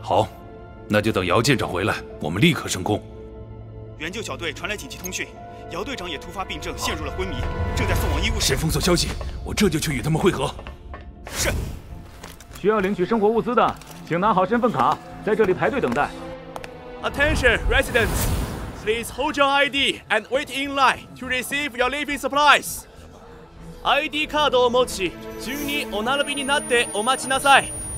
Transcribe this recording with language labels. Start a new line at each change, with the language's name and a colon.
Chinese: 好，那就等姚舰长回来，我们立刻升空。援救小队传来紧急通讯，姚队长也突发病症陷入了昏迷，正在送往医务室。先封锁消息，我这就去与他们会合。是。需要领取生活物资的请拿好身份卡，在这里排队等待。
English: Attention residentsPlease hold your ID and wait in line to receive your living supplies.
Japanese: ID カードを持ち、急にお並びになってお待ちなさい。